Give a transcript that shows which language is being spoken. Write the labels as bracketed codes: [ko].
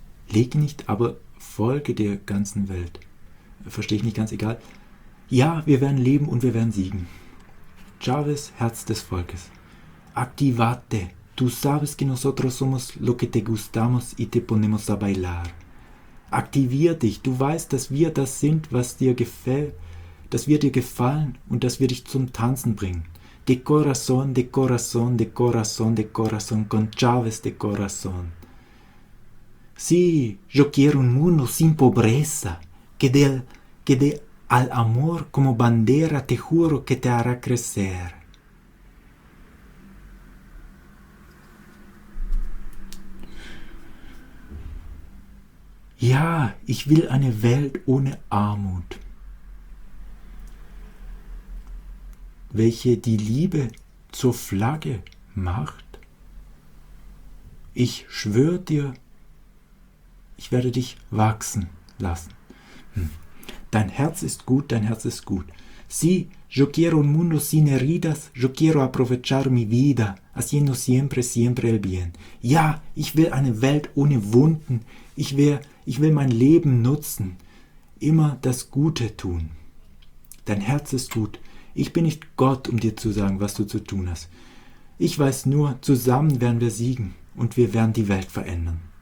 [de] Leg nicht, aber folge der ganzen Welt. Verstehe ich nicht ganz, egal. Ja, wir werden leben und wir werden siegen. Chávez, Herz des Volkes. Activate. [es] Tú sabes que nosotros somos lo que te gustamos y te ponemos a bailar. [de] Aktivier dich. Du weißt, dass wir das sind, was dir gefällt, dass wir dir gefallen und dass wir dich zum Tanzen bringen. [es] De corazón, de corazón, de corazón, de corazón, con Chávez de corazón. Sí, yo quiero un mundo sin pobreza, que de al amor como bandera te juro que te hará crecer. [de] Ja, ich will eine Welt ohne Armut, welche die Liebe zur Flagge macht. Ich schwöre dir, ich werde dich wachsen lassen. Dein Herz ist gut, dein Herz ist gut. [es] Sí, yo quiero un mundo sin heridas, yo quiero aprovechar mi vida, haciendo siempre, siempre el bien. [de] Ja, ich will eine Welt ohne Wunden, ich will mein Leben nutzen, immer das Gute tun. Dein Herz ist gut. Ich bin nicht Gott, um dir zu sagen, was du zu tun hast. Ich weiß nur, zusammen werden wir siegen und wir werden die Welt verändern.